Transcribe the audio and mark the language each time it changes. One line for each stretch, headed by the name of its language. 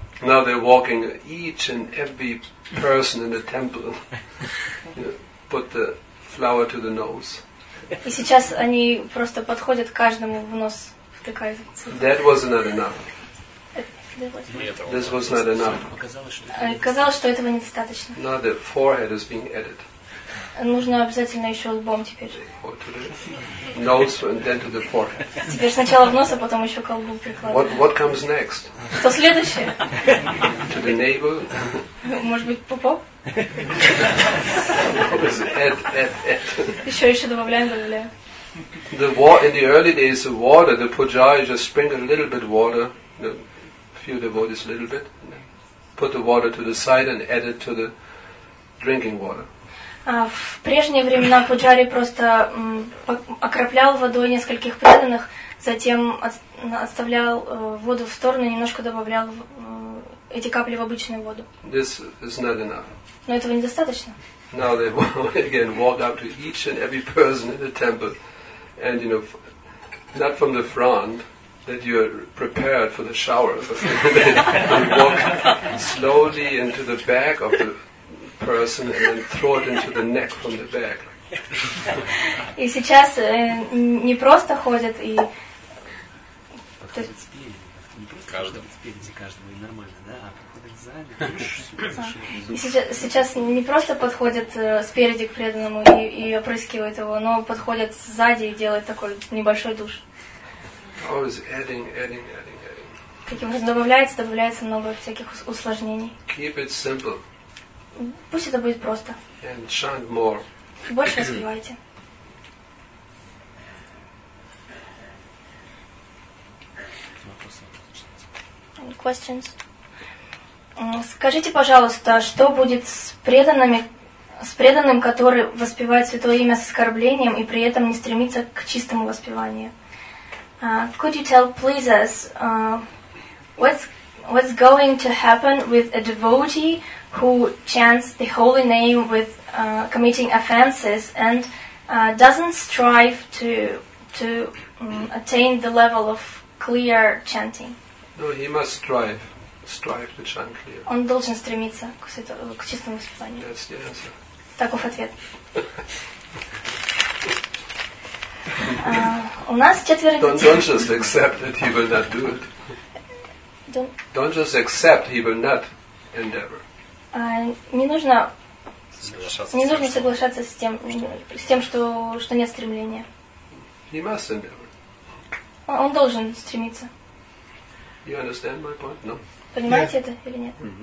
English: Now they're walking, each and every person in the temple, you know, put the flower to the nose.
Russian: И сейчас они просто подходят каждому в нос, втыкают цветок.
English: That was not enough. This was not enough.
Russian: Казалось, что этого недостаточно.
English: Now the forehead is being added.
Russian: Нужно обязательно еще лбом теперь.
English: Or to the nose and then to the forehead.
Russian: Теперь сначала в нос, а потом еще к лбу прикладывать.
English: What comes next?
Russian: Что следующее?
English: To the navel.
Russian: Может быть, пупок? Еще добавляем.
English: In the early days, the water, the pujari just sprinkled a little bit water, a few devotees a little bit, put the water to the side and added to the drinking water.
Russian: В прежние времена пуджари просто окроплял водой нескольких преданных, затем отставлял воду в сторону и немножко добавлял эти капли в обычную воду.
English: This is not enough.
Russian: Но этого недостаточно.
English: Now they again walk up to each and every person in the temple, and you know, not from the front, that you are prepared for the shower, but they walk slowly into the back of the person and then throw it into the neck from the back.
Russian: И сейчас не просто ходят и подходят спереди, не просто каждому спереди каждому и нормально, да, а подходят сзади. И сейчас не просто подходят спереди к преданному и опрыскивают его, но подходят сзади и делают такой небольшой душ.
English: Always adding.
Russian: Таким образом добавляется много всяких усложнений.
English: Keep it simple.
Russian: Пусть это будет просто.
English: And chant more.
Russian: Больше воспевайте.
English: Questions.
Russian: Скажите, пожалуйста, что будет с преданным, который воспевает святое имя с оскорблением и при этом не стремится к чистому воспеванию?
English: Could you tell, please, us what's going to happen with a devotee who chants the holy name with committing offenses and doesn't strive to attain the level of clear chanting? No, he must strive to chant clear.
Russian: Он должен стремиться к чистому воспеванию.
English: That's the answer.
Russian: Таков ответ. У нас четверо детей.
English: Don't just accept that he will not do it. Don't just accept he will not endeavor.
Russian: Не нужно соглашаться с тем, что нет стремления.
English: He must endeavor.
Russian: Он должен стремиться.
English: You understand my point? No.
Russian: Понимаете это или нет?